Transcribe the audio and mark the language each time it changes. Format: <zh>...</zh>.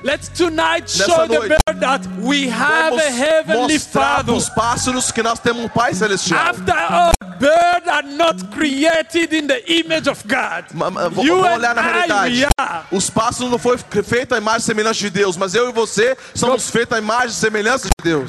<en>Let's tonight show the bird that we have a heavenly father.</en> <pt>Os pássaros que nós temos um pai celestial.</pt> <en>After all, birds are not created in the image of God.</en> <pt>Vamos olhar na realidade. Os pássaros não foram feitos à imagem e semelhança de Deus, mas eu e você somos feita a imagem e semelhança de Deus.</pt>